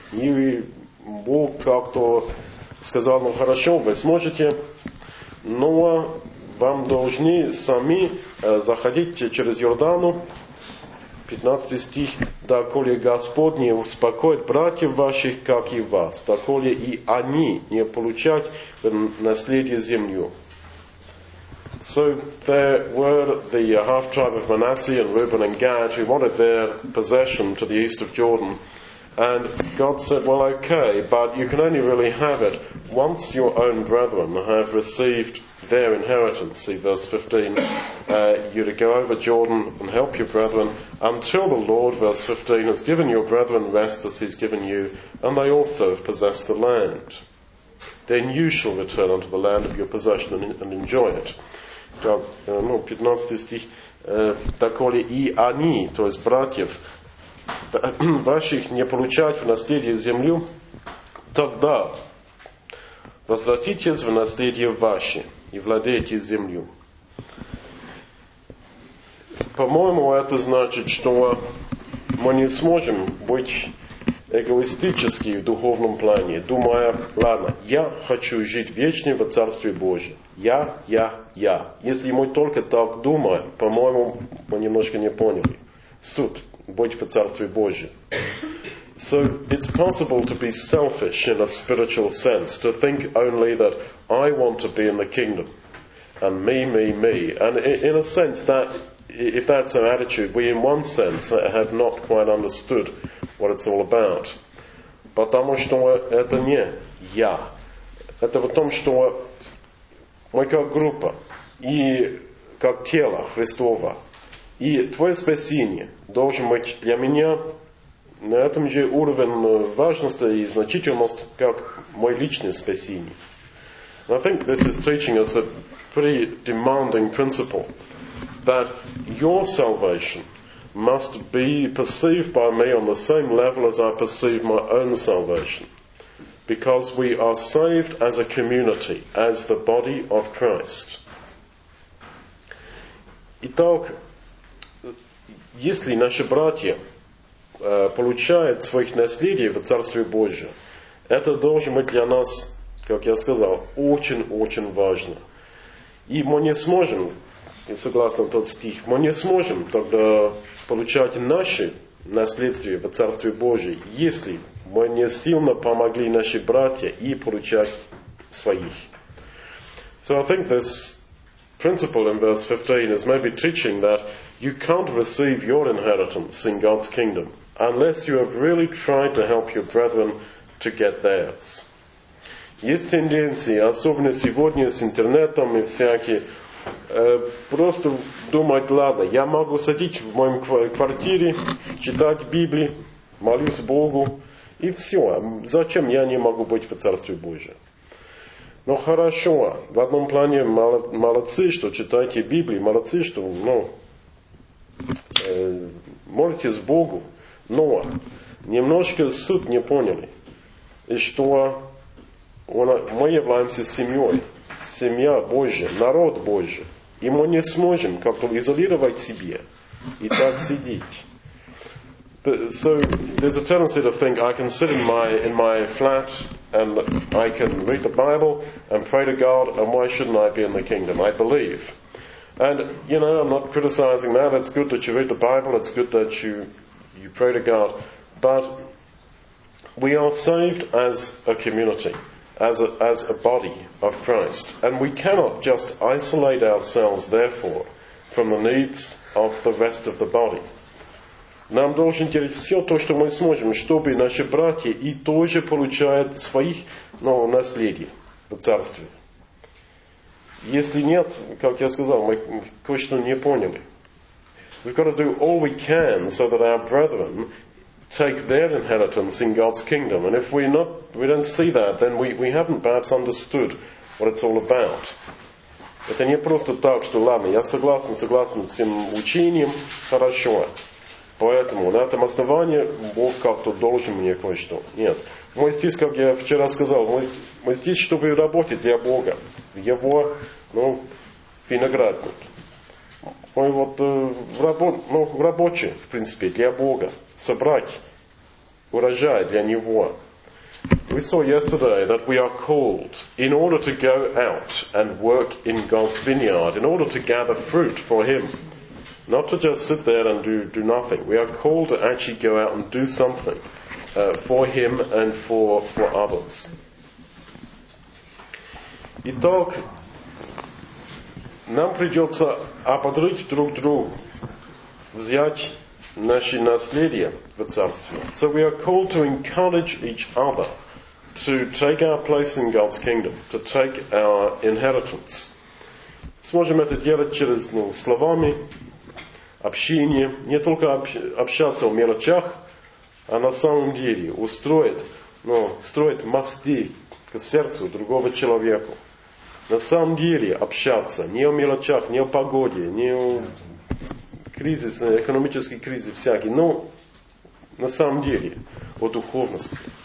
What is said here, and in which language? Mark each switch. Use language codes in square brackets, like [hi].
[ru] И Бог как-то сказал, ну, хорошо, вы сможете, но вам должны сами заходить через Иордану. 15 стих, доколе Господь не успокоит братьев ваших, как и вас, доколе и они не получат наследие землю. [en] So there were the half tribe of Manasseh and Reuben and Gad who wanted their possession to the east of Jordan. And God said, well, okay, but you can only really have it once your own brethren have received their inheritance. See verse 15, you to go over Jordan and help your brethren until the Lord, verse 15, has given your brethren rest as he's given you, and they also have possessed the land. Then you shall return unto the land of your possession and enjoy it. [ru] God, ну, 15 стих, доколе и они, то есть братьев, ваших не получать в наследие землю, тогда возвратитесь в наследие ваше и владеете землю. По-моему, это значит, что мы не сможем быть эгоистически в духовном плане, думая, ладно, я хочу жить вечно во Царстве Божьем. Я. Если мы только так думаем, по-моему, мы немножко не поняли. Суть. Быть в Царстве Божьем. [en] So it's possible to be selfish in a spiritual sense, to think only that I want to be in the kingdom, and me. And in a sense, that if that's our attitude, we in one sense have not quite understood what it's all about. [ru] Потому что это не я. Это в том, что мы как группа и как тело Христово. И твое спасение должен быть для меня на этом же уровне важности и значительности, как мой личный спасение. [en] And I think this is teaching us a pretty demanding principle that your salvation must be perceived by me on the same level as I perceive my own salvation. Because we are saved as a community, as the body of Christ. [ru] Итак, если наши братья получают своих наследий в Царстве Божьем, это должно быть для нас, как я сказал, очень-очень важно. И мы не сможем и согласно тот стих, мы не сможем тогда получать наши наследствие в Царстве Божьем, если мы не сильно помогли наши братья и получать своих. So I think this principle in verse 15 is maybe teaching that you can't receive your inheritance in God's kingdom unless you have really tried to help your brethren to get theirs. Есть тенденции, особенно сегодня с интернетом и всякие, просто думать, ладно, я могу сидеть в моем квартире, читать Библию, молюсь Богу, и все. Зачем я не могу быть в Царстве Божьем? Ну хорошо, в одном плане молодцы, что читаете Библию, молодцы, что молитесь с Богом, но немножко суть не поняли. И что мы являемся семьей, семья Божья, народ Божий. И мы не сможем как-то изолировать себе и так сидеть. [en] So there's a tendency to think I can sit in my flat and I can read the Bible and pray to God and why shouldn't I be in the kingdom? I believe. And you know, I'm not criticizing that. It's good that you read the Bible, it's good that you pray to God. But we are saved as a community. As a body of Christ. And we cannot just isolate ourselves, therefore, from the needs of the rest of the body. [ru] Нам должен делать все то, что мы сможем, чтобы наши братья и тоже получают своих наследий в Царстве. Если нет, как я сказал, мы кое-что не поняли. [en] We've got to do all we can so that our brethren take their inheritance in God's kingdom. And if we don't see that, then we haven't perhaps understood what it's all about. [ru] Это не просто так, что ладно, я согласен всем учением, хорошо. Поэтому на этом основании Бог как-то должен мне кое-что. Нет. Мы здесь, как я вчера сказал, мы здесь, чтобы работать для Бога. В Его, виноградник. Мы вот рабочие, в принципе, для Бога. Собрать урожай для Него. [en] We saw yesterday that we are called in order to go out and work in God's vineyard, in order to gather fruit for Him. Not to just sit there and do nothing. We are called to actually go out and do something for Him and for others. [ru] Итак, нам придется ободрить друг друга, взять наше наследие в Царстве. [en] So we are called to encourage each other to take our place in God's kingdom, to take our inheritance. [ru] Сможем это делать через словами, общение, не только общаться в мелочах, а на самом деле строить мосты к сердцу другого человека. На самом деле общаться не о мелочах, не о погоде, не о кризис, экономический кризис всякий, но на самом деле о духовности.